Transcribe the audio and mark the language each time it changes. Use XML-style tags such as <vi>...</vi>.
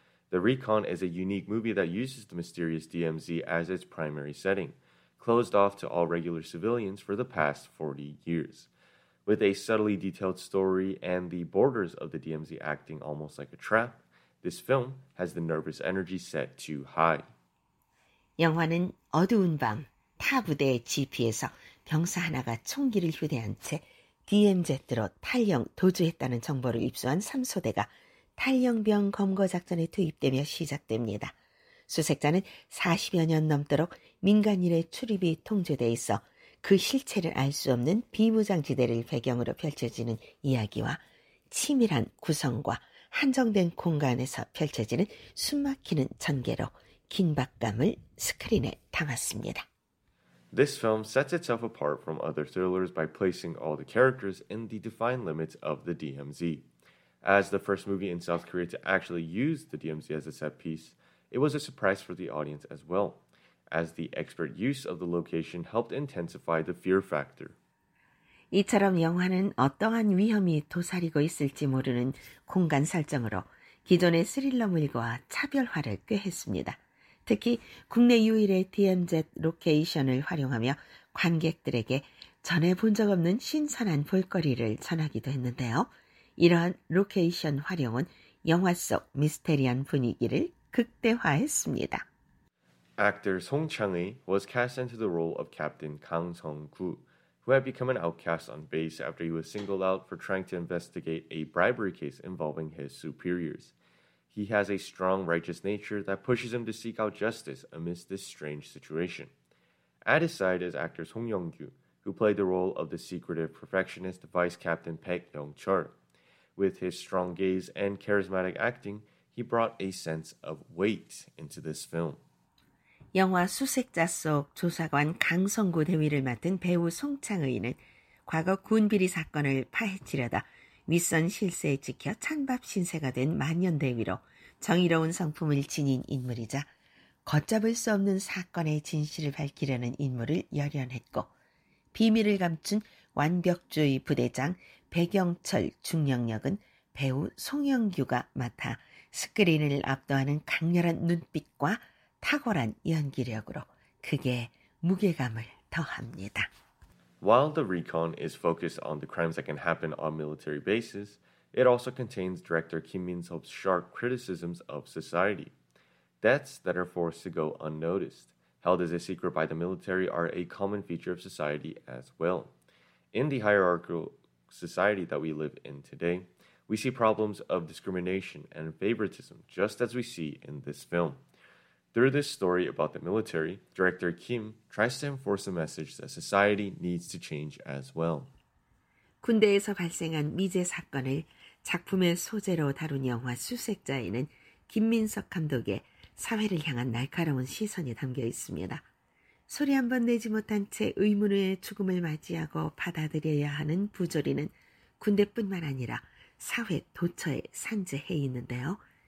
<en>The Recon is a unique movie that uses the mysterious DMZ as its primary setting, closed off to all regular civilians for the past 40 years. With a subtly detailed story and the borders of the DMZ acting almost like a trap, this film has the nervous energy set too high.</en> <ko>영화는 어두운 밤, 타 부대의 GP에서 병사 하나가 총기를 휴대한 채 DMZ로 탈영 도주했다는 정보를 입수한 3소대가 탈영병 검거작전에 투입되며 시작됩니다. 수색자는 40여 년 넘도록 민간인의 출입이 통제되어 있어 그 실체를 알 수 없는 비무장지대를 배경으로 펼쳐지는 이야기와 치밀한 구성과 한정된 공간에서 펼쳐지는 숨막히는 전개로 긴박감을 스크린에 담았습니다.</ko> <en>This film sets itself apart from other thrillers by placing all the characters in the defined limits of the DMZ. As the first movie in South Korea to actually use the DMZ as a set piece, it was a surprise for the audience as well, as the expert use of the location helped intensify the fear factor.</en> <ko>이처럼 영화는 어떠한 위험이 도사리고 있을지 모르는 공간 설정으로 기존의 스릴러물과 차별화를 꾀했습니다. 특히 국내 유일의 DMZ 로케이션을 활용하며 관객들에게 전에 본 적 없는 신선한 볼거리를 전하기도 했는데요. 이러한 로케이션 활용은 영화 속 미스테리한 분위기를 극대화했습니다.</ko> <en>Actor Song Chang-hee was cast into the role of Captain Kang Sung-gu, who had become an outcast on base after he was singled out for trying to investigate a bribery case involving his superiors. He has a strong righteous nature that pushes him to seek out justice amidst this strange situation. At his side is actor Song Yong-gyu, who played the role of the secretive perfectionist Vice Captain Park Yong-chul. With his strong gaze and charismatic acting, he brought a sense of weight into this film.</en> <ko>영화 수색자 속 조사관 강성구 대위를 맡은 배우 송창의는 과거 군비리 사건을 파헤치려다 윗선 실세에 찍혀 찬밥 신세가 된 만년대위로 정의로운 성품을 지닌 인물이자 걷잡을 수 없는 사건의 진실을 밝히려는 인물을 열연했고 비밀을 감춘 완벽주의 부대장 백영철 중령 역은 배우 송영규가 맡아 스크린을 압도하는 강렬한 눈빛과 탁월한 연기력으로 그게 무게감을 더합니다.</ko> <en>While the Recon is focused on the crimes that can happen on military bases, it also contains director Kim Min-seop's sharp criticisms of society. Deaths that are forced to go unnoticed, held as a secret by the military, are a common feature of society as well. In the hierarchical society that we live in today, we see problems of discrimination and favoritism, just as we see in this film. Through this story about the military, director Kim tries to enforce a message that society needs to change as well.</en> <ko>군대에서 발생한 미제 사건을 작품의 소재로 다룬 영화 수색자에는 김민석 감독의 사회를 향한 날카로운 시선이 담겨 있습니다. 소리 한번 내지 못한 채 의문의 죽음을 맞이하고 받아들여야 하는 부조리는 군대뿐만 아니라 사회 도처에 산재해 있는데요.</ko>